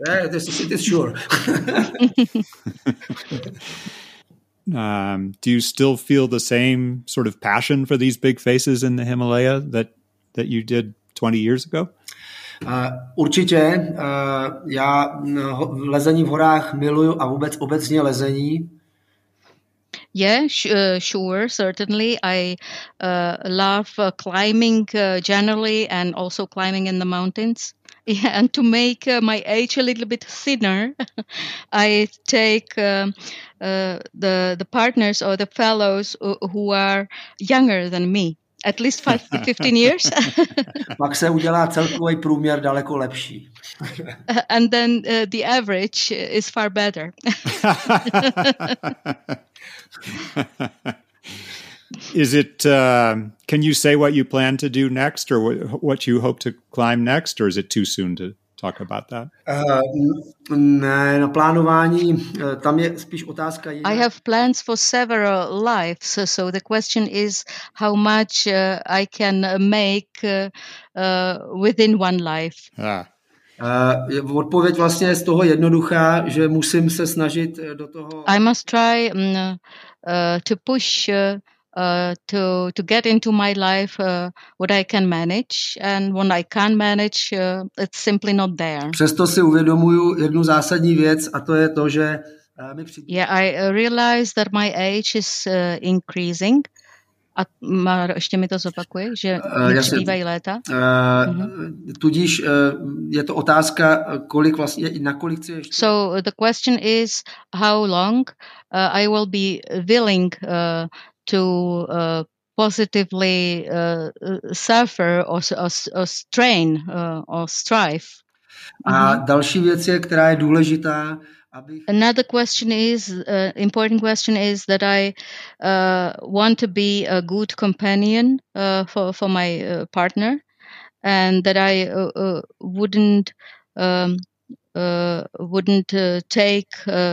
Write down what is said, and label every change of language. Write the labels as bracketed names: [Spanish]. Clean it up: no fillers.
[English] this is sure. Do you still feel the same sort of passion for these big faces in the Himalaya that you did 20 years ago? [Czech] Určitě. Já lezení v horách miluju a vůbec obecně lezení. [English] Yeah, sure, certainly. I love climbing generally and also climbing in the mountains. Yeah, and to make my age a little bit thinner, I take the partners or the fellows who are younger than me, at least 15 years. [Czech] Pak se udělá celkový průměr daleko lepší. [English] And then the average is far better. Is it, can you say what you plan to do next or what you hope to climb next, or is it too soon to talk about that? [Czech] Na plánování, tam je spíš otázka jiná. [English] I have plans for several lives, so the question is how much I can make within one life. Yeah. [Czech] Odpověď vlastně je z toho jednoduchá, že musím se snažit do toho... [English] I must try to push... To get into my life what I can manage and what I can't manage, it's simply not there. [Czech] Přesto si uvědomuju jednu zásadní věc a to je to, že mi přijde. [English] Yeah, I realize that my age is increasing. [Czech] A ještě mi to zopakuje, že mi přibývají léta. Tudíž je to otázka, kolik vlastně, na kolik chci ještě. [English] So the question is how long I will be willing to positively suffer or strain or strive. [Czech] A další věc je, která je důležitá, abych... [English] Another question is important question is that I want to be a good companion for my partner, and that I wouldn't take.